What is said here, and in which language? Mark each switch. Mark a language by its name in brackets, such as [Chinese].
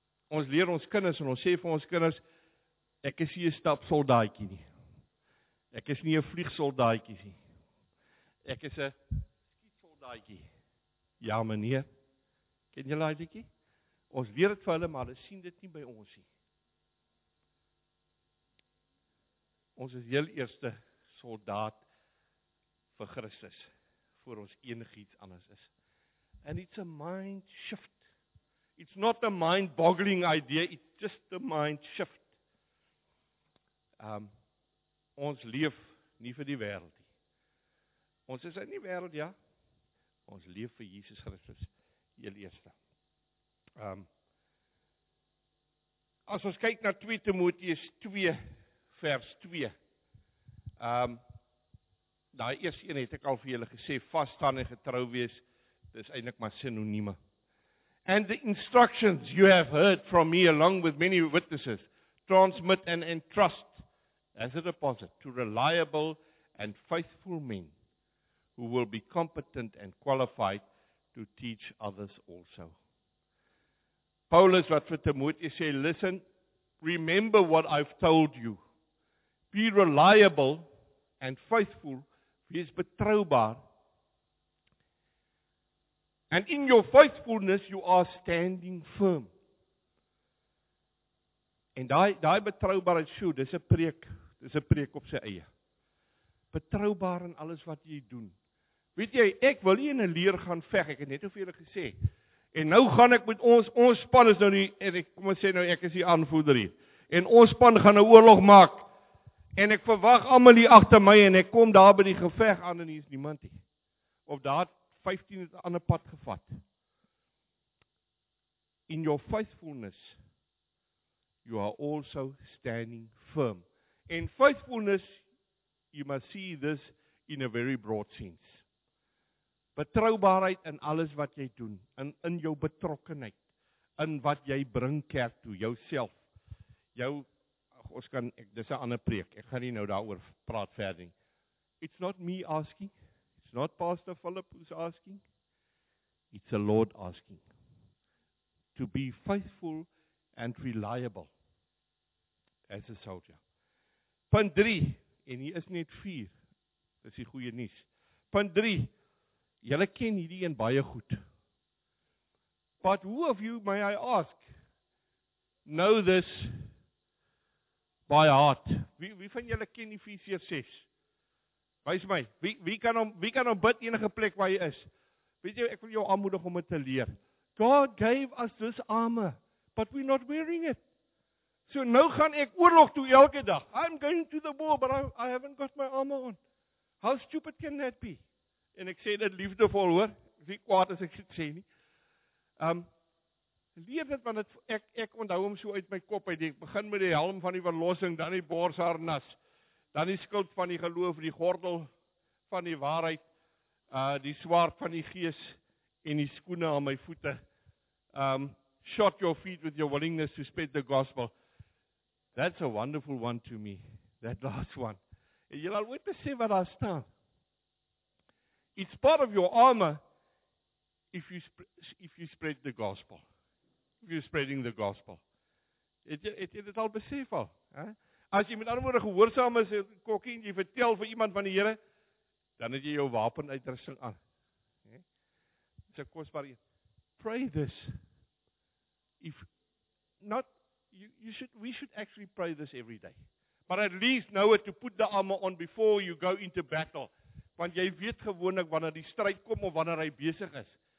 [Afrikaans] Ons leer ons kinders en ons sê vir ons kinders, ek is nie 'n stap soldaatjie nie. Ek is nie 'n vlieg soldaatjie nie. Ek is 'n skiet soldaatjie. Ja meneer, ken jy daai liedjie? Ons leer dit vir hulle, maar hulle sien dit nie by ons nie. Ons is heel eerste soldaat vir Christus, voor ons enigiets anders is. [English] And it's a mind shift. It's not a mind-boggling idea, it's just a mind shift. [Afrikaans] Ons leef nie vir die wêreld nie. Ons is in die wêreld, ja. Ons leef vir Jesus Christus, heel eerste. As ons kyk na 2 Timoteus 2, vers 2. Daai eerste een het ek al vir julle gesê, vas staan en getrou wees, dis eintlik maar sinonieme. [English] And the instructions you have heard from me along with many witnesses, transmit and entrust as a deposit to reliable and faithful men who will be competent and qualified to teach others also. [Afrikaans] Paulus wat vir Timoteus sê, [English] listen, remember what I've told you. Be reliable and faithful, [Afrikaans] wees betroubaar. [English] And in your faithfulness you are standing firm. [Afrikaans] En daai betroubaarheid, sjoe, dis 'n preek op sy eie. Betroubaar in alles wat jy doen. Weet jy, ek wil nie in 'n leer gaan veg, ek het net vir julle gesê. En nou gaan ek met ons span is nou nie, en ek kom ons sê nou ek is die aanvoerder hier. En ons span gaan 'n oorlog maak. En ek verwag almal hier agter my en ek kom daar by die geveg aan en hier is niemand nie. Of daar 15 het 'n ander pad gevat. [English] In your faithfulness you are also standing firm. In faithfulness you must see this in a very broad sense. [Afrikaans] Betroubaarheid in alles wat jy doen, in jou betrokkenheid, in wat jy bring kerk toe, jouself, dis 'n ander preek, ek gaan nie nou daaroor praat verder nie. [English] It's not me asking, it's not Pastor Philip who's asking, it's the Lord asking, to be faithful and reliable as a soldier. [Afrikaans] Punt 3, en hier is net 4, dis die goeie nuus. Punt 3, julle ken hierdie een baie goed. [English] But who of you, may I ask, know this by heart? [Afrikaans] Wie van julle ken Efesiërs 6? Wys my, wie kan hom bid enige plek waar hy is? Weet jy, ek wil jou aanmoedig om dit te leer. [English] God gave us this armor, but we're not wearing it. [Afrikaans] So nou gaan ek oorlog toe elke dag. [English] I'm going to the war, but I haven't got my armor on. How stupid can that be? [Afrikaans] En ek sê dit liefdevol hoor. Ek sê kwaad as ek dit sê nie. Leer dit, want het, ek onthou hom so uit my kop uit. Ek begin met die helm van die verlossing, dan die borsharnas, dan die skild van die geloof, die gordel van die waarheid, die swaard van die gees, en die skoene aan my voete. [English] Shot your feet with your willingness to spread the gospel. That's a wonderful one to me, that last one. [Afrikaans] En jy al ooit besef wat daar staan? [English] It's part of your armor if you spread the gospel. If you're spreading the gospel. [Afrikaans] Het jy dit al besef al? Eh? As jy met ander woorde gehoorsaam is, kokkie, en jy vertel vir iemand van die Here, dan het jy jou wapenuitrusting aan. Eh? So kostbaar. [English] Pray this. If not, we should actually pray this every day. But at least know it to put the armor on before you go into battle. [Afrikaans] Want jy weet gewoonlik wanneer die stryd kom of wanneer hy besig is.